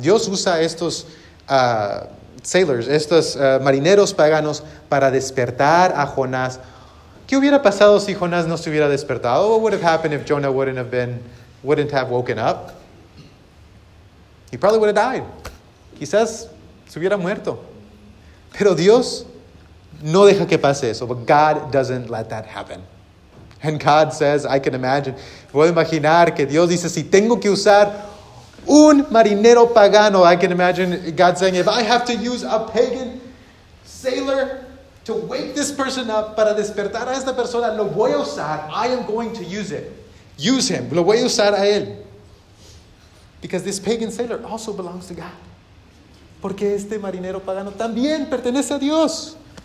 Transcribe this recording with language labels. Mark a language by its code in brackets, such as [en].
[es] Dios usa estos sailors, estos marineros paganos para despertar a Jonás. ¿Qué hubiera pasado si Jonás no se hubiera despertado? [en] What would have happened if Jonah wouldn't have woken up? He probably would have died. [es] Quizás se hubiera muerto. Pero Dios no deja que pase eso. [en] But God doesn't let that happen. And God says, I can imagine. [es] Puedo imaginar que Dios dice, si tengo que usar un marinero pagano, [en] I can imagine God saying, if I have to use a pagan sailor to wake this person up, [es] para despertar a esta persona, lo voy a usar. [en] I am going to use it. Use him. [es] Lo voy a usar a él. [en] Because this pagan sailor also belongs to God. [es] Porque este marinero pagano también pertenece a Dios.